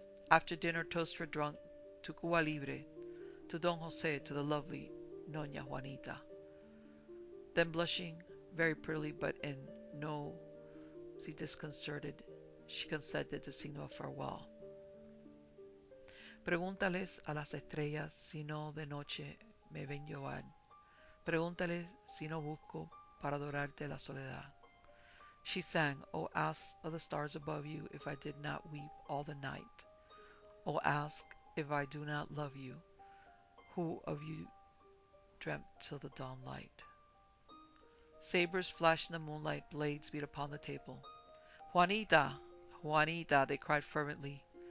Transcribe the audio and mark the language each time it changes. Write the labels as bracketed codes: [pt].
[en] After dinner, toasts were drunk to Cuba Libre, to Don Jose, to the lovely Doña Juanita. Then, blushing very prettily but in no see disconcerted, she consented to sing a farewell. [es] "Pregúntales a las estrellas si no de noche me ven llorar. Pregúntales si no busco para adorarte la soledad." [en] She sang, "Oh, ask of the stars above you if I did not weep all the night. Oh, ask if I do not love you. Who of you dreamt till the dawn light?" Sabers flashed in the moonlight, blades beat upon the table. "Juanita, Juanita," they cried fervently.